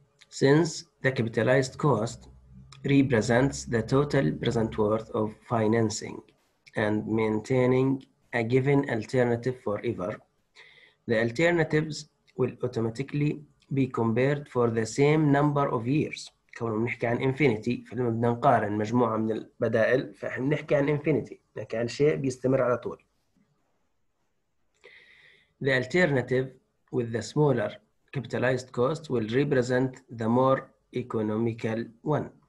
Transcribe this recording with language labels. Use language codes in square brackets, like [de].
[en] Since the capitalized cost represents the total present worth of financing and maintaining a given alternative forever, the alternatives will automatically be compared for the same number of years. [ar] كونه بنحكي عن infinity، فلما بدنا نقارن مجموعة من البدائل فاحنا بنحكي عن infinity، لكن عن شيء بيستمر على طول. [en] The alternative with the smaller capitalized cost will represent the more economical one.